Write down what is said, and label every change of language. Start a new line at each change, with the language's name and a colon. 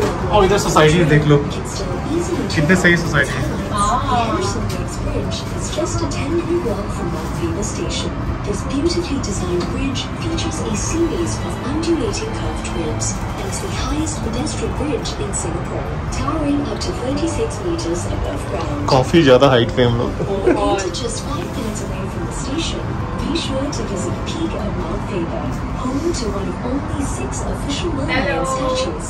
Hindi: और इधर सोसाइटी देख लो कितने सही सोसाइटी है।
English: It's just a 10-minute walk from Malvina Station. This beautifully designed bridge features a series of undulating curved ribs and is the highest pedestrian bridge in Singapore, towering up to 36 meters above ground.
Hindi: काफी ज़्यादा height पे हम लोग।
English: Just 5 minutes away from the station, be sure to visit the peak of Mount Faber, home to one of only 6 official Malvina statues.